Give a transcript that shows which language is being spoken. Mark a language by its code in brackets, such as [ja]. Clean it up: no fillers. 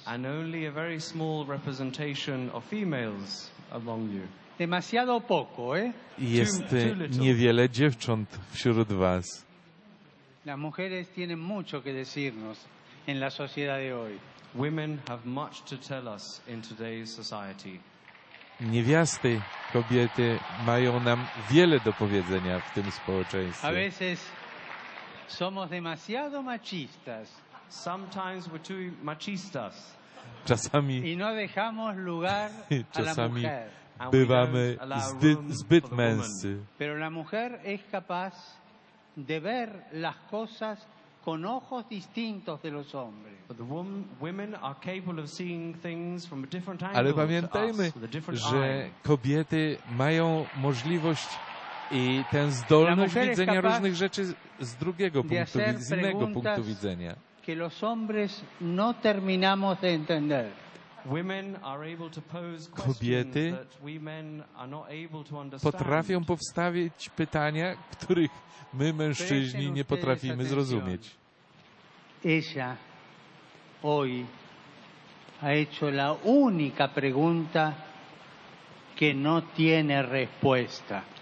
[en] And only a very small representation of females among you. [es] Demasiado poco, eh? [pl] Jest niewiele dziewcząt wśród was. [es] Las mujeres tienen mucho que decirnos en la sociedad de hoy. [en] Women have much to tell us in today's society. [pl] Niewiasty, kobiety mają nam wiele do powiedzenia w tym społeczeństwie. [es] A veces somos demasiado machistas. [en] Sometimes we're too machistas. [pl] Czasami [es] y no dejamos lugar a la mujer. [pl] Bywamy zbyt męscy. [es] Pero la mujer es capaz de ver las cosas con ojos distintos de los hombres. [en] But the women are capable of seeing things from a different angle. [pl] Ale pamiętajmy, że kobiety mają możliwość i tę zdolność widzenia różnych rzeczy z drugiego punktu, z innego punktu widzenia. [es] Que los hombres no terminamos de entender. [en] Women are able to pose questions that we men are not able to understand. [pl] Potrafią powstawić pytania, których my mężczyźni nie potrafimy zrozumieć. [es] Ella hoy ha hecho la única pregunta que no tiene respuesta.